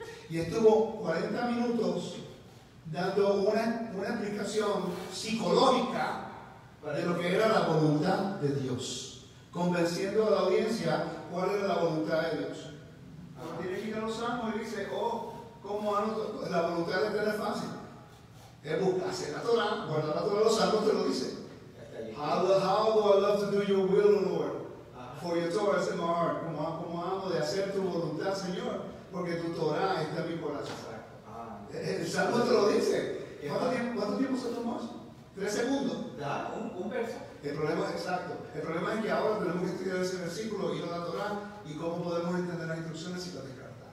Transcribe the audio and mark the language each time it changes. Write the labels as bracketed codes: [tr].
[es] Y estuvo 40 minutos dando una explicación psicológica de lo que era la voluntad de Dios, convenciendo a la audiencia cuál era la voluntad de Dios. Tiene que ir a los salmos y dice, oh, ¿cómo anotó? La voluntad de Eterno es fácil. Es buscar, hacer la Torah, guardar la Torah, los salmos te lo dice. [en] How do I love to do your will, Lord? For your Torah is in my heart. [es] ¿Cómo amo de hacer tu voluntad, Señor? Porque tu Torah está en mi corazón. El salmo te lo dice. ¿Cuánto tiempo se tomó eso? 3 segundos. Un verso. El problema es que ahora tenemos que estudiar ese versículo y ir a la Torah y cómo podemos entender las instrucciones si las descartamos.